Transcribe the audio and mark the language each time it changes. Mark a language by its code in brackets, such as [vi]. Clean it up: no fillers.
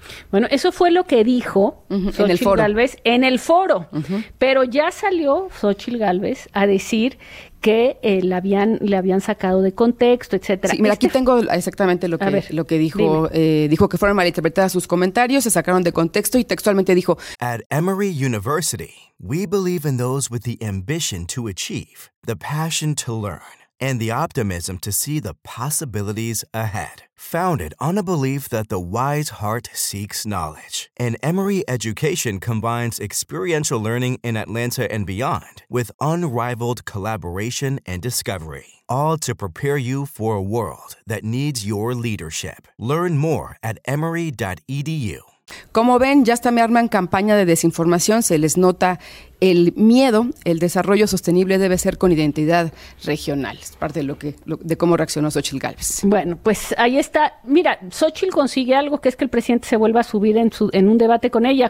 [es] Bueno, eso fue lo que dijo Xóchitl Gálvez en el foro, pero ya salió Xóchitl Gálvez a decir que le habían sacado de contexto, etcétera. Sí, mira, aquí tengo exactamente lo que dijo. Dijo que fueron malinterpretadas sus comentarios, se sacaron de contexto y textualmente dijo: [en] At Emory University, we believe in those with the ambition to achieve, the passion to learn, and the optimism to see the possibilities ahead. Founded on a belief that the wise heart seeks knowledge, an Emory education combines experiential learning in Atlanta and beyond with unrivaled collaboration and discovery, all to prepare you for a world that needs your leadership. Learn more at emory.edu. [es] Como ven, ya está, me arman campaña de desinformación, se les nota el miedo. El desarrollo sostenible debe ser con identidad regional. Es parte de cómo reaccionó Xóchitl Gálvez. Bueno, pues ahí está. Mira, Xóchitl consigue algo, que es que el presidente se vuelva a subir en un debate con ella.